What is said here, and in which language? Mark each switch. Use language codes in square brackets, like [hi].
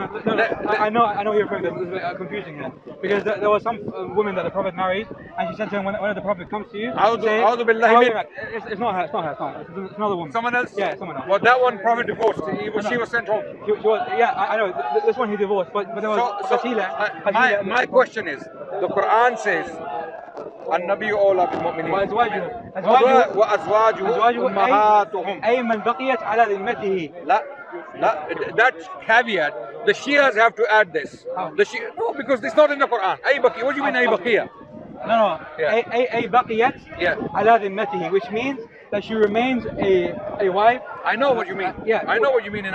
[en] I know what you're referring to. This is a bit confusing here. Because there was some woman that the Prophet married, and she said to him, when the Prophet comes to you... Audhu billahi. It's not her. It's another woman. Someone else? Yeah, someone else. Well, that one Prophet divorced. She was sent home. I know. This one he divorced. But there was Fatila. My question is, the Quran says... [ar] النبي أولى بالمؤمنين وأزواجه أي من بقيت على ذمته [en] لا that caveat the Shias have to add this the Shia, no because it's not in the Quran [ar] أي بقية [en] what do you mean أي بقية no [ar] أي بقيت على ذمته [en] which means that she remains a wife I know what you mean I know what you mean in